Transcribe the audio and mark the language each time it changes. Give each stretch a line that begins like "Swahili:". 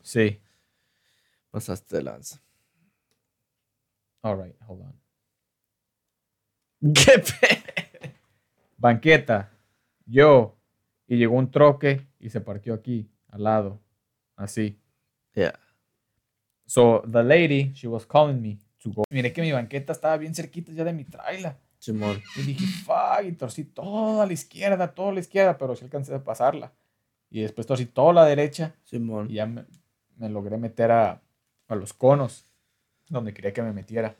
Spanish: Sí. Pasaste de lanza.
English: All right, hold on.
Spanish: ¿Qué pe? Banqueta. Yo. Y llegó un troque y se parqueó aquí, al lado. Así. Yeah.
English: So, the lady, she was calling me to go.
Spanish: Miré que mi banqueta estaba bien cerquita ya de mi trailer. Chimón. Y dije,
English: fuck,
Spanish: y torcí toda la izquierda, pero sí alcancé a pasarla. Y después torcí toda la derecha. Simón. Y ya me logré meter a los conos. donde quería que me metiera.